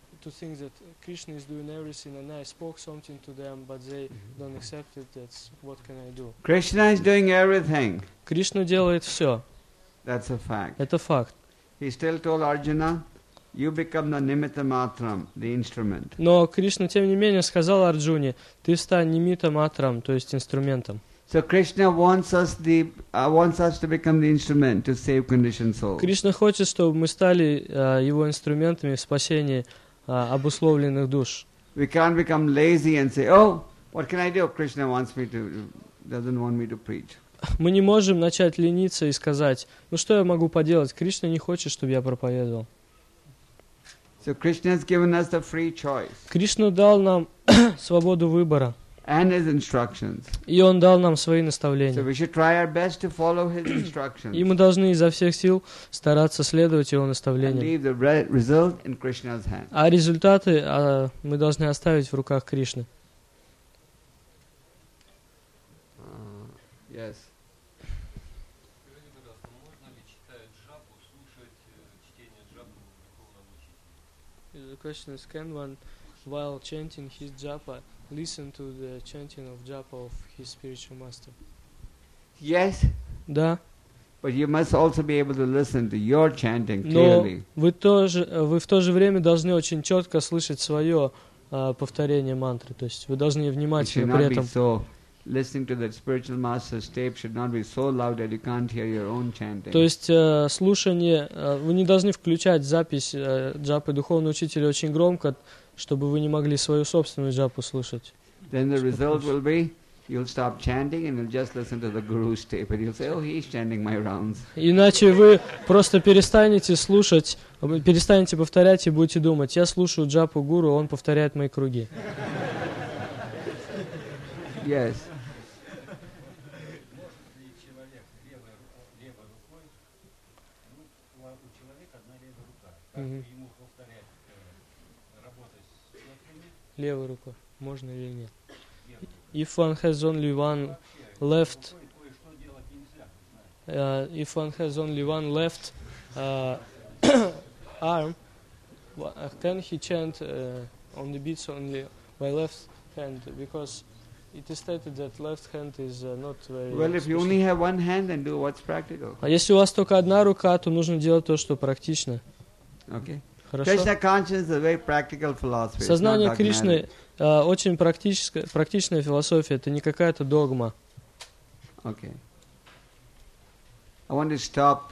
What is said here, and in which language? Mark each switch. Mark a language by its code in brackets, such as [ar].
[en] to think that Krishna is doing everything and I spoke something to them, but they don't accept it. That's what can I do? Krishna is doing everything. [ru] Krishna делает все. [en] That's a fact. [ru] Это факт. [en] He still told Arjuna, you become the nimitta matram, the instrument. [ru] Но Кришна тем не менее сказал Арджуне, ты стань нимитта матрам, то есть инструментом. [en] So Krishna wants us to become the instrument to save conditioned souls. [ru] Кришна хочет, чтобы мы стали его инструментами в спасении обусловленных душ. [en] We can't become lazy and say, oh, what can I do? Krishna wants me to, doesn't want me to preach. [ru] Мы не можем начать лениться и сказать, ну что я могу поделать? Кришна не хочет, чтобы я проповедовал. [en] So Krishna has given us the free choice. [ru] Кришна дал нам свободу выбора. [en] And his instructions. [ru] И он дал нам свои наставления. [en] So we should try our best to follow his instructions. [ru] И мы должны изо всех сил стараться следовать его наставлениям. [en] And leave the result in Krishna's hands. [ru] А результаты мы должны оставить в руках Кришны. [en] Yes. [ru] Скажите, пожалуйста, можно ли читать джапу, слушать чтение джапу духовного учителя? [en] The question is, can one, while chanting his japa, listen to the chanting of japa of his spiritual master? Yes. [ru] Да. [en] But you must also be able to listen to your chanting clearly. [ru] Но вы в то же время должны очень четко слышать свое повторение мантры. То есть вы должны внимательно при этом. [en] Listening to the spiritual master's tape should not be so loud that you can't hear your own chanting. [ru] То есть слушание, вы не должны включать запись джапы духовного учителя очень громко, чтобы вы не могли свою собственную джапу слушать. [en] Then the result will be you'll stop chanting and you'll just listen to the guru's tape and you'll say, oh, he's chanting my rounds. [ru] Иначе вы просто перестанете слушать, перестанете повторять и будете думать, я слушаю джапу гуру, он повторяет мои круги. [en] Yes. [ru] Левая рука. Можно или нет? [en] If one has only one left, if one has only one left arm, can he chant on the beats only by left hand? Because it is stated that left hand is not very. Well, if you only have one hand, then do what's practical. [ru] А если у вас только одна рука, то нужно делать то, что практично. [en] Okay. [ru] Хорошо. [en] Krishna consciousness is a very practical philosophy. [ru] Сознание Кришны очень практическая, практичная философия. Это не какая-то догма. [en] Okay. I want to stop.